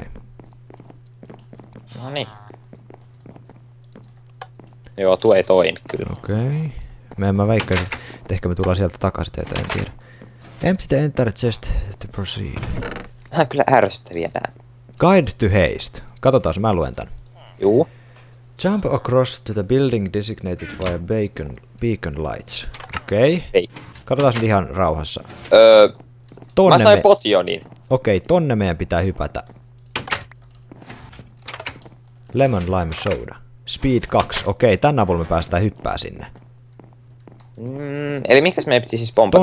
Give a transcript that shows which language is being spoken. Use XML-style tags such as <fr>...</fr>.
<fi>Okay. Noni. Joo, tuo ei toimi kyllä. Okei. Okay. Mä väikkäisin, että ehkä me tullaan sieltä takaisin teitä, en tiedä.</fi> <en>Empty the enter chest to proceed.</en> <fi>Nää on kyllä ärsyttäviä nää.</fi> <en>Guide to haste.</en> <fi>Katotaas, mä luen tän. Juu.</fi> <en>Jump across to the building designated by beacon lights. Okei. Okay. Ei.</en> <fi>Katotaas nyt ihan rauhassa. Mä sain potionin. Okei, okay, tonne meidän pitää hypätä.</fi> <en>Lemon lime soda.</en> <fi>Speed 2. Okei, tän avulla me päästään hyppää sinne. Eli mikäs meidän piti siis pompata?</fi>